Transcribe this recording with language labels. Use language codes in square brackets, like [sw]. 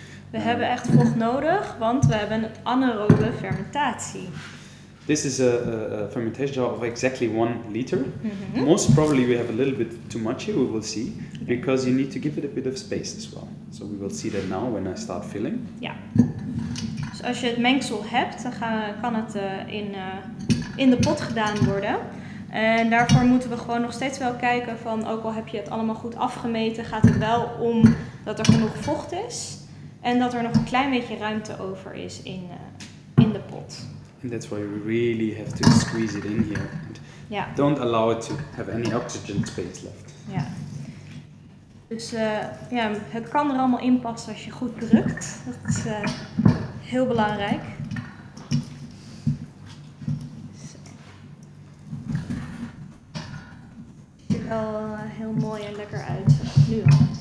[nl] We hebben echt vocht nodig, want we hebben het anaerobe fermentatie. [en] This is a fermentation jar of exactly 1 liter. Mm-hmm. Most probably we have a little bit too much here, we will see. Okay. Because you need to give it a bit of space as well. So we will see that now when I start filling. Yeah. [nl] Dus als je het mengsel hebt, dan kan het in de pot gedaan worden. En daarvoor moeten we gewoon nog steeds wel kijken van, ook al heb je het allemaal goed afgemeten, gaat het wel om dat er genoeg vocht is en dat er nog een klein beetje ruimte over is in de pot. [en] And that's why we really have to squeeze it in here. And don't allow it to have any oxygen space left. Yeah. [nl] Dus het kan er allemaal in passen als je goed drukt. Dat is heel belangrijk. Het ziet er wel heel mooi en lekker uit, nu al.